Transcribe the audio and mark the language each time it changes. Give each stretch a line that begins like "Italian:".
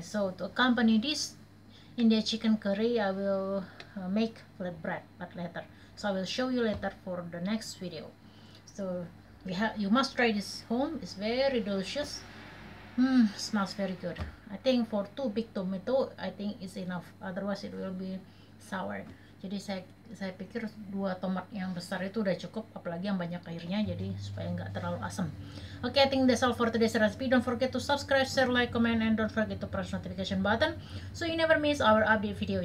English: So to accompany this India chicken curry, I will make flatbread, but later. So I will show you later for the next video. So you must try this home. It's very delicious. Smells very good. I think for 2 big tomato, I think is enough. Otherwise it will be sour.
Indonesian: Jadi saya pikir 2 tomat yang besar itu udah cukup, apalagi yang banyak airnya, jadi supaya nggak terlalu asam.
English: Okay, I think that's all for today's recipe. Don't forget to subscribe, share, like, comment, and don't forget to press notification button so you never miss our update video.